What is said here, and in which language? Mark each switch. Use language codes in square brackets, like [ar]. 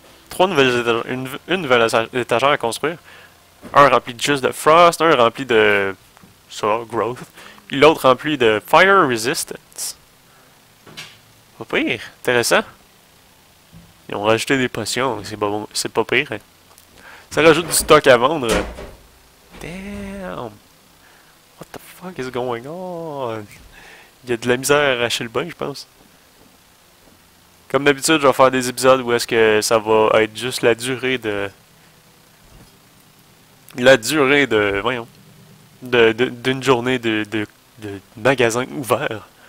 [fr] Trois nouvelles étagères, une nouvelle étagère à construire. Un rempli juste de frost, un rempli de... ça, growth. Puis l'autre rempli de fire resistance. Pas pire, intéressant. Ils ont rajouté des potions, c'est pas bon, c'est pas pire. Hein. Ça rajoute du stock à vendre. [en] Damn! What the fuck is going on? [fr] Il y a de la misère à arracher le bain, je pense. Comme d'habitude, je vais faire des épisodes où est-ce que ça va être juste la durée de... La durée de... Voyons. D'une journée de magasin ouvert.